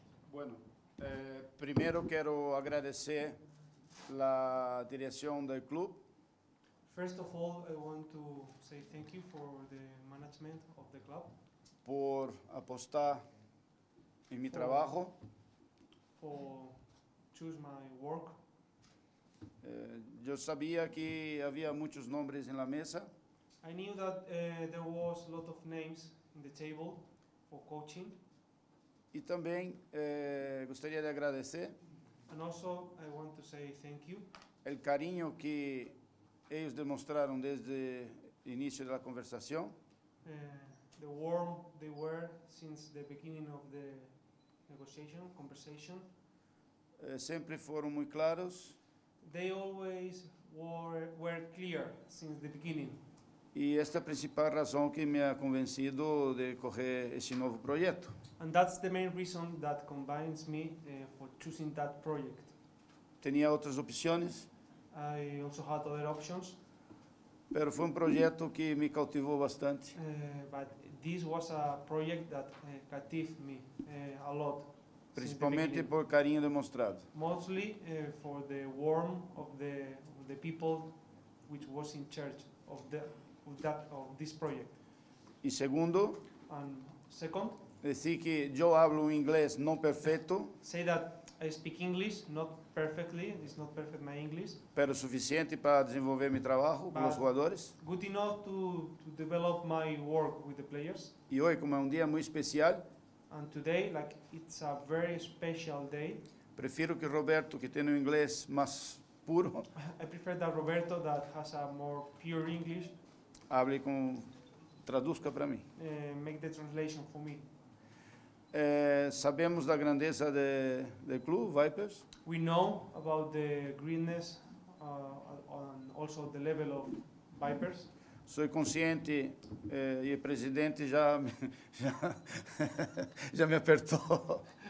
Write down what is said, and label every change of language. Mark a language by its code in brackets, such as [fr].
[es] Bueno, primero quiero agradecer la dirección del club. [en] First of all, I want to say thank you for the management of the club. [es] Por apostar en mi trabajo. [en] For choose my work. [es] Yo sabía que había muchos nombres en la mesa. [en] I knew that there was a lot of names in the table for coaching. [es] Y también gustaría de agradecer [en] and also I want to say thank you. [es] El cariño que ellos demostraron desde el inicio de la conversación. [en] The warm they were since the beginning of the negotiation, conversation. [es] Siempre fueron muy claros. [en] They always were clear since the beginning. [es] Y esta es la principal razón que me ha convencido de coger ese nuevo proyecto. [en] And that's the main reason that combines me for choosing that project. [es] Tenía otras opciones. [en] I also had other options. [es] Pero fue un proyecto que me cautivó bastante. [en] But this was a project that captivated me a lot. [es] Principalmente por carinho demonstrado. [en] Mostly for the warmth of the people which was in charge of this project. [es] Y segundo, [en] and second, [es] decir que yo hablo inglés no perfecto. [en] Say that I speak English not perfectly. It's not perfect my English. [es] Pero suficiente para desenvolver mi trabajo con los jugadores. [en] Good enough to develop my work with the players. [es] Y hoy como es un día muy especial. [en] And today, like it's a very special day. [es] Prefiero que Roberto, que tiene un inglés más puro. [en] I prefer that Roberto, that has a more pure English. [es] Hable con, traduzca para mí. [en] Make the translation for me. [es] Sabemos la grandeza del club, Vipers. [en] We know about the greatness and also the level of Vipers. [es] Soy consciente y el presidente ya me apertó.